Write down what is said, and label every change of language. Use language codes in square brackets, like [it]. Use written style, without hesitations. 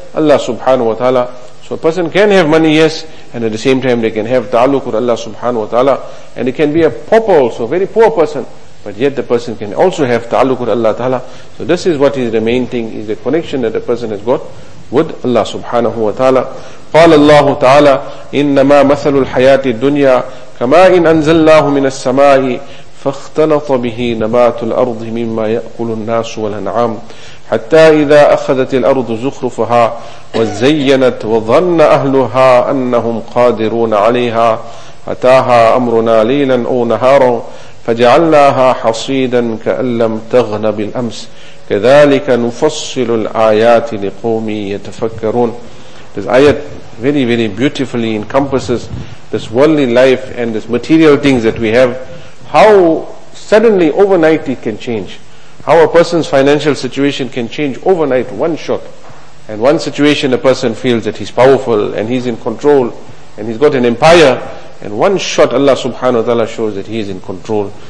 [en] Allah subhanahu wa ta'ala. So a person can have money, yes, and at the same time they can have ta'aluk with Allah subhanahu wa ta'ala, and they can be a pauper also, a very poor person, but yet the person can also have ta'aluk with Allah ta'ala. So this is what is the main thing, is the connection that the person has got with Allah subhanahu wa ta'ala. [ar] قال الله تعالى إنما مثل الحياة الدنيا كما إن أنزلناه من السماء فاختلط به نبات الأرض مما يأكل الناس والأنعام حتى إذا أخذت الأرض زخرفها وزينت وظن أهلها أنهم قادرون عليها أتاها أمرنا ليلا أو نهارا فجعلناها حصيدا كأن لم تغن بالأمس كذلك نفصل الآيات لقوم يتفكرون. [en] This ayat very, very beautifully encompasses this worldly life and this material things that we have. How suddenly overnight it can change. How a person's financial situation can change overnight, one shot. And one situation a person feels that he's powerful and he's in control and he's got an empire, and one shot Allah subhanahu wa ta'ala shows that he is in control.